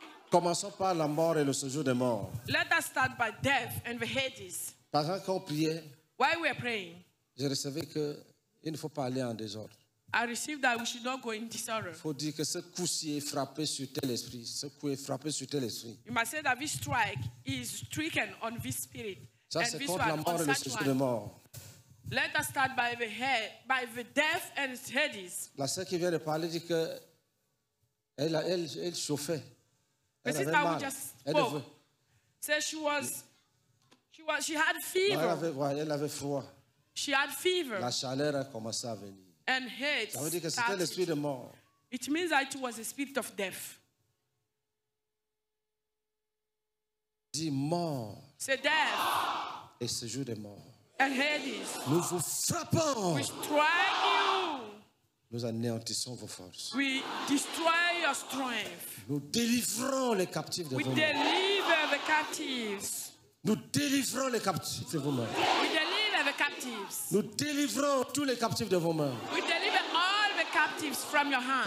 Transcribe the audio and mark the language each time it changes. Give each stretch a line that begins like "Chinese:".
French: Commençons par la mort et le séjour des morts.
English: Let us start by death and the Hades.
French: Pendant qu'on priait,
English: while we are praying,
French: je recevais que il ne faut pas aller en désordre.
English: I received that we should not go in disorder.
French: Faut dire que ce coup-ci est frappé sur tel esprit, ce coup est frappé sur tel esprit.
English: You must say that this strike is stricken on this spirit.
French: Ça and c'est contre la mort et le séjour des morts.
English: Let us start by the head, by the death and Hades.
French: La sœur qui vient de parler dit que elle chauffait.
English: The sister who just spoke said she had fever.
French: Elle avait froid.
English: She had fever.
French: La chaleur a commencé à venir.
English: And Hades.
French: Ça veut dire que c'était l'esprit de mort.
English: It means that it was a spirit of death.
French: Dis mort.
English: Say death.
French: Et ce jour de mort.
English: And Hades.
French: Nous vous frappons.
English: We strike you.
French: Nous anéantissons vos forces.
English: We destroy your strength.
French: Nous délivrons les captifs de
English: we
French: vos mains.
English: We deliver the captives.
French: Nous délivrons les captifs de vos mains.
English: We deliver the captives.
French: Nous délivrons tous les captifs de vos mains.
English: We deliver all the captives from your hands.